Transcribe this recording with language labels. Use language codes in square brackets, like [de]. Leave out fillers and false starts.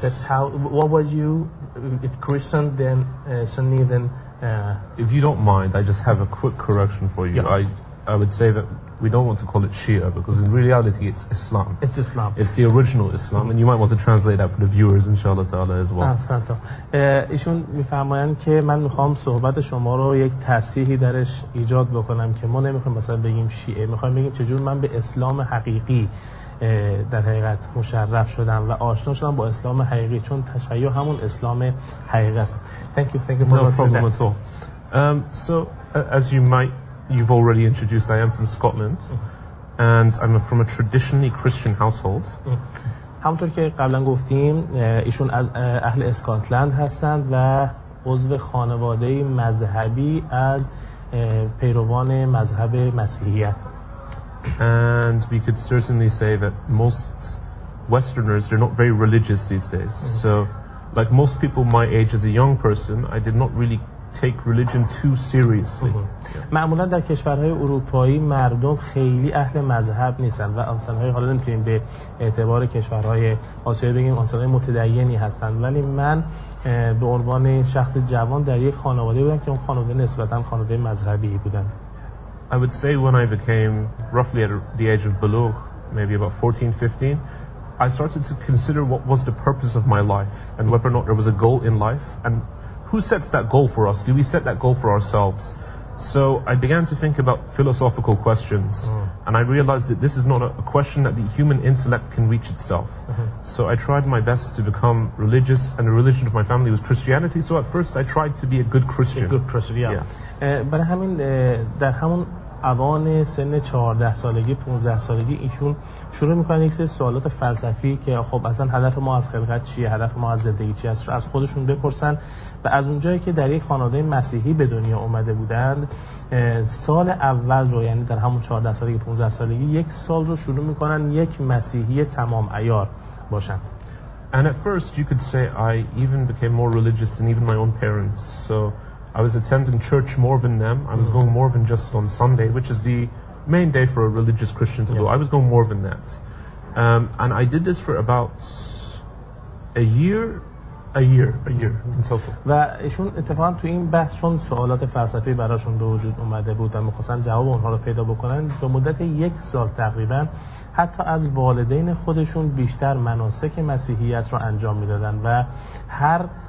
[en] That's how, what was you, if Christian, then Sunni, then... If you don't mind, I just have a quick correction for you. Yeah. I would say that we don't want to call it Shia, because in reality it's Islam. It's Islam. It's the original Islam, and you might want to translate that for the viewers, inshallah ta'ala, as well. [fa] Ah, ایشون میفرمایند که من میخوام صحبت شما رو یک تصحیحی درش ایجاد بکنم که ما نمیخوایم مثلا بگیم شیعه، میخوایم بگیم چجور من به اسلام حقیقی در حقیقت مشرف شدم و آشنا شدم با اسلام حقیقی، چون تشیع همون اسلام حقیقی است. [en] Thank you for that. No problem at all. So as you've already introduced, I am from Scotland and I'm from a traditionally Christian household. [fa] همونطور که قبلا گفتیم ایشون از اهل اسکاتلند هستند و عضو خانواده مذهبی از پیروان مذهب مسیحیت. [en] And we could certainly say that most Westerners are not very religious these days. So like most people my age as a young person, I did not really take religion too seriously. [fa] معمولا در کشورهای اروپایی مردم خیلی اهل مذهب نیستن و آنسانهای، حالا نمیتونیم به اعتبار کشورهای آسیایی بگیم، آنسانهای متدینی هستن، ولی من به عنوان شخص جوان در یک خانواده بودم که اون خانواده نسبتا خانواده مذهبی بودن. [en] I would say when I became roughly at the age of [fa] بلوغ, [en] maybe about 14-15, I started to consider what was the purpose of my life and whether or not there was a goal in life, and who sets that goal for us? Do we set that goal for ourselves? So I began to think about philosophical questions, and I realized that this is not a question that the human intellect can reach itself. So I tried my best to become religious, and the religion of my family was Christianity. So at first I tried to be a good Christian. A good Christian, yeah. [fa] برای همین در همون اوان سن 14 سالگی 15 سالگی ایشون شروع میکنن یک سری سوالات فلسفی که خب اصلا هدف ما از خلقت چیه، هدف ما از زندگی چیه، از خودشون بپرسن. و از اونجایی که در یک خانواده مسیحی به دنیا اومده بودند، سال اول رو، یعنی در همون 14 سالگی 15 سالگی، یک سال رو شروع میکنن یک مسیحی تمام عیار باشن. [en] And at first you could say I even became more religious than even my own parents. So I was attending church more than them. I was going more than just on Sunday, which is the main day for a religious Christian to go. I was going more than that. And I did this for about a year. A year in total. [fa] و ایشون اتفاقا تو این بحث چون سوالات فلسفی براشون به وجود اومده بود و می‌خواستن جواب اونها رو پیدا بکنن، به مدت یک سال تقریبا حتی از والدین خودشون بیشتر مناسک مسیحیت رو انجام میدادن و هر